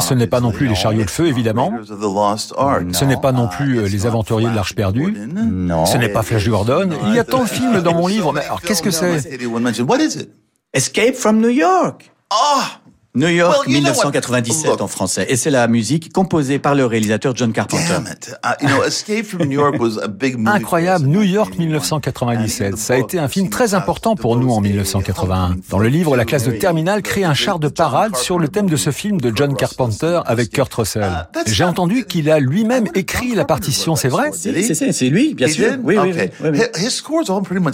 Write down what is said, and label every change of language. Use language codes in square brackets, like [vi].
[fr] Ce n'est pas non plus Les Chariots de Feu, évidemment. Ce n'est pas non plus Les Aventuriers de l'Arche Perdue. Non. Ce n'est pas Flash Gordon. Il y a tant de films dans mon livre. Mais alors, qu'est-ce que c'est? [en] What is it? Escape from New York. Ah. [fr] New York, well, 1997 en français. Et c'est la musique composée par le réalisateur John Carpenter. [en] Damn it. You know, Escape from New York was a big movie. [fr] Incroyable, New York 1997. Ça a été un film très important pour nous en 1981. Dans le livre, la classe de terminale crée un char de parade sur le thème de ce film de John Carpenter avec Kurt Russell. J'ai entendu qu'il a lui-même écrit la partition, c'est vrai? C'est lui, bien sûr. Oui.